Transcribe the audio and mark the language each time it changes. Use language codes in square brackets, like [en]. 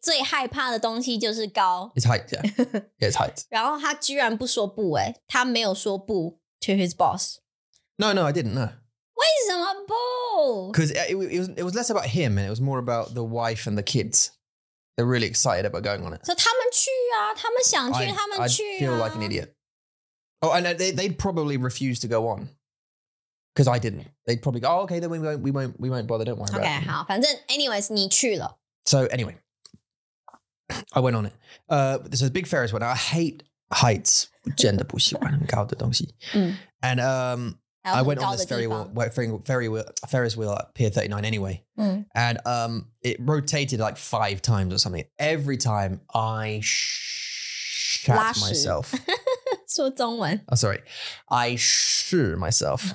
[zh] 最害怕的东西就是高。 [en] It's height, yeah. Yeah, it's height. [zh] 然后他居然不说不, 欸, 他没有说不 [en] to his boss. No, I didn't, no. [zh] 为什么不? [en] Because it was less about him and it was more about the wife and the kids. They're really excited about going on it. [zh] So 他们去啊, 他们想去, 他们去啊。 [en] I feel like an idiot. Oh, and they'd probably refuse to go on. Because I didn't. They'd probably go, oh, okay, then we won't bother, don't worry okay, about it. Okay, 好,反正, anyways, 你去了。 So anyway, I went on it. This is a big Ferris wheel. I hate heights. [zh] 真的不喜欢很高的东西。 [en] And I went on this Ferris wheel at Pier 39 anyway. And it rotated like 5 times or something. Every time I shat myself. [zh] 说中文. [en] Oh, sorry. I shoo myself.